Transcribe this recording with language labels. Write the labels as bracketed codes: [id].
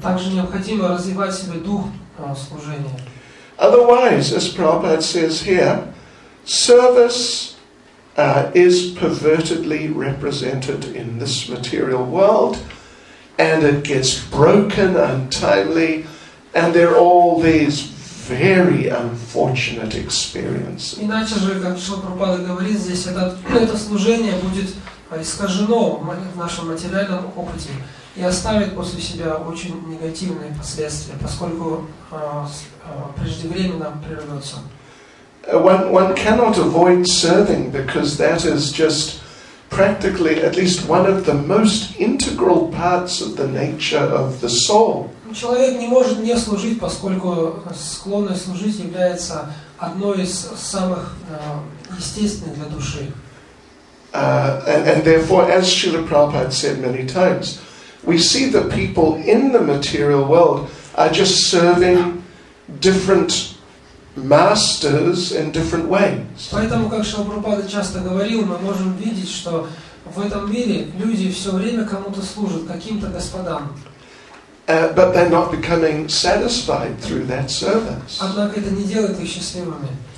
[ru] Также необходимо развивать в себе дух служения. [en] Otherwise, as Prabhupada says here, service is pervertedly represented in this material world, and it gets broken untimely, and there are all these very unfortunate experiences. [ru] Иначе же, как Прабхупада говорит, здесь это служение будет искажено в нашем материальном опыте и оставит после себя очень негативные последствия, поскольку преждевременно прервется. [en] One cannot avoid serving because that is just practically at least one of the most integral parts of the nature of the soul. [ru] Человек не может не служить, поскольку склонность служить является одной из самых естественных для души. [en] And therefore, as Srila Prabhupada said many times, we see the people in the material world are just serving different masters in different ways. [ru] Поэтому, как Шрила Прабхупада часто говорил, мы можем видеть, что в этом мире люди все время кому-то служат, каким-то господам. [en] But they're not becoming satisfied through that service. [ru] Однако это не делает их счастливыми.